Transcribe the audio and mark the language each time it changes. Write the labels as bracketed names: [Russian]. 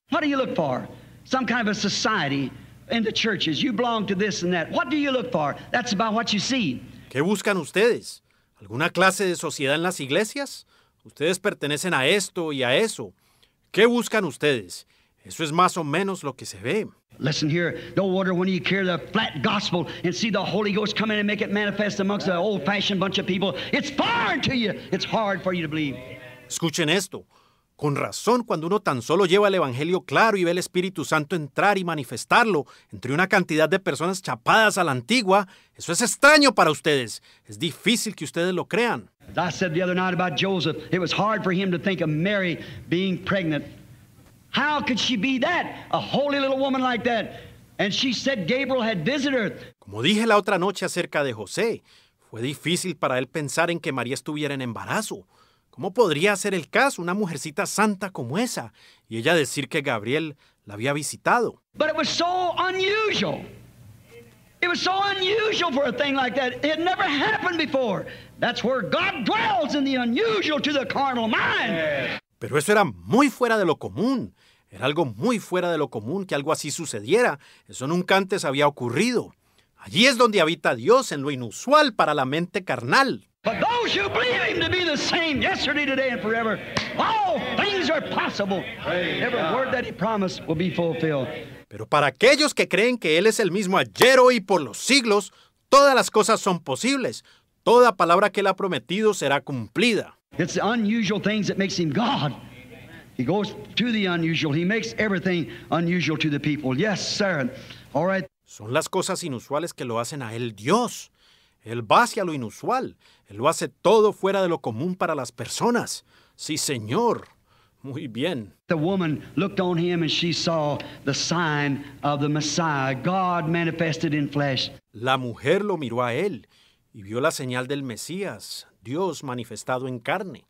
[English] What do you look for? Some kind of a society in the churches. You belong to this and that. What do you look for? That's about what you see. [Spanish] ¿Qué buscan ustedes? ¿Alguna clase de sociedad en las iglesias? Ustedes pertenecen a esto y a eso. ¿Qué buscan ustedes? Eso es más o menos lo que se ve. [English] Listen here. No wonder when you hear the flat gospel and see the Holy Ghost come in and make it manifest amongst an old-fashioned bunch of people. It's foreign to you. It's hard for you to believe. [Spanish] Escuchen esto. Con razón, cuando uno tan solo lleva el Evangelio claro y ve el Espíritu Santo entrar y manifestarlo entre una cantidad de personas chapadas a la antigua, eso es extraño para ustedes. Es difícil que ustedes lo crean. [English] As I said the other night about Joseph, it was hard for him to think of Mary being pregnant. How could she be that, a holy little woman like that? And she said Gabriel had visited her. [Spanish] Como dije la otra noche acerca de José, fue difícil para él pensar en que María estuviera en embarazo. ¿Cómo podría ser el caso una mujercita santa como esa y ella decir que Gabriel la había visitado? [English] But it was so unusual. It was so unusual for a thing like that. It had never happened before. That's where God dwells, in the unusual to the carnal mind. [Spanish] Pero eso era muy fuera de lo común. Era algo muy fuera de lo común que algo así sucediera. Eso nunca antes había ocurrido. Allí es donde habita Dios, en lo inusual para la mente carnal. [English] But those who believe him to be the same yesterday, today, and forever, all things are possible. Every word that he promised will be fulfilled. [Spanish] Pero para aquellos que creen que él es el mismo ayer, hoy y por los siglos, todas las cosas son posibles. Toda palabra que él ha prometido será cumplida. [English] It's the unusual things that makes him God. He goes to the unusual. He makes everything unusual to the people. Yes, sir. All right. [Spanish] Son las cosas inusuales que lo hacen a él Dios. Él va hacia lo inusual. Él lo hace todo fuera de lo común para las personas. Sí, señor. Muy bien. [English] The woman looked on him and she saw the sign of the Messiah, God manifested in flesh. [Spanish] La mujer lo miró a él y vio la señal del Mesías, Dios manifestado en carne.